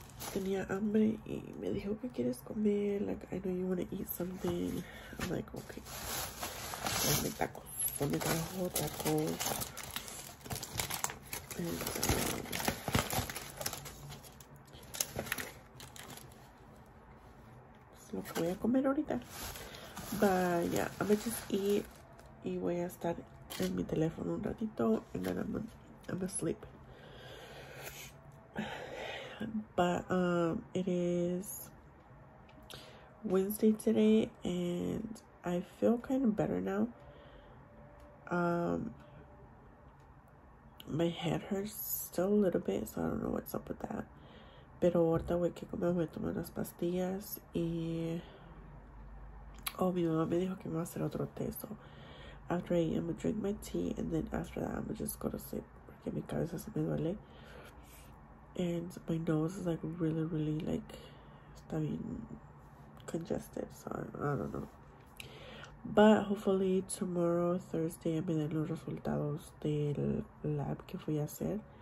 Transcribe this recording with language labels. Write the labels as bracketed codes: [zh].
[es] Tenía hambre y me dijo, ¿qué quieres comer? [en] Like, I know you want to eat something. I'm like, okay. [es] Dame tacos. So me trajo tacos. And, es lo que voy a comer ahorita. [en] But yeah, I'm going to just eat. [es] Y voy a estar en mi teléfono un ratito, [en] and then I'm asleep. But it is Wednesday today, and I feel kind of better now. My head hurts still a little bit, so I don't know what's up with that. [es] Pero ahorita voy a comer, voy a tomar unas pastillas, y oh, mi mamá me dijo que me va a hacer otro test. [en] After I'm gonna drink my tea, and then after that, I'm gonna just go to sleep, [es] porque mi cabeza se me duele. [en] And my nose is like really, really like, [es] está bien [en] congested, so I don't know. But hopefully tomorrow, Thursday, [es] me den los resultados del lab que fui a hacer.